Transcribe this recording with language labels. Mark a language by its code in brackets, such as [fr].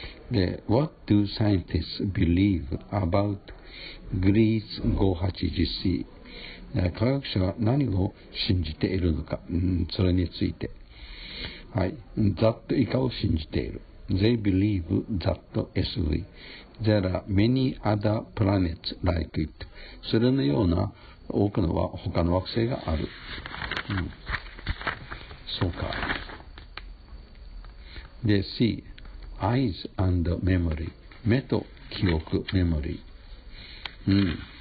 [en] で、What do scientists believe about Greece 581C? [ja] 科学者は何を信じているのか、それについて。はい、That 以下を信じている。 [en] They believe that SV. There are many other planets like it. [ja] それのような多くのは他の惑星がある。そうか。で、C、 [en] Eyes and Memory。 [ja] 目と記憶、メモリー。